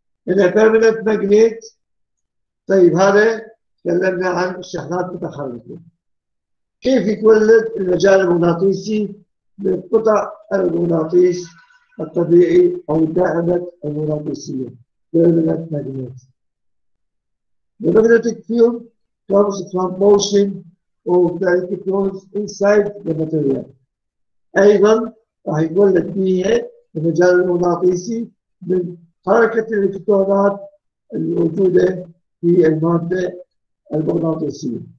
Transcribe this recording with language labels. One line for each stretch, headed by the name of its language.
English: In a permanent magnet.
Arabic: طيب هذا تكلمنا عن الشحنات المتحركة. كيف يتولد المجال المغناطيسي؟ من قطع المغناطيس الطبيعي أو الدائمة المغناطيسية.
English: Permanent magnet. The magnetic field comes from motion of the electrons inside the material.
Arabic: أيضا راح يتولد بيها المجال المغناطيسي من حركة الالكترونات الموجودة في المادة المغناطيسية.